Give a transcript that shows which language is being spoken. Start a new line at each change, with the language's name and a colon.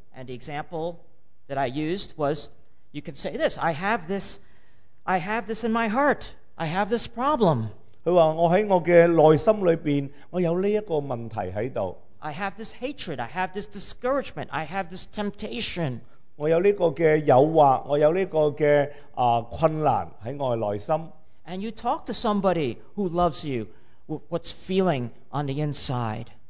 English: And the example that I used was, you can say this, I have this in my heart, I have this problem.
Cantonese: 佢話：我喺我嘅內心裏邊，我有呢一個問題喺度。
English: I have this hatred, I have this discouragement, I have this temptation.
Cantonese: 我有呢個嘅誘惑，我有呢個嘅困難喺我內心。
English: And you talk to somebody who loves you, what's feeling on the inside.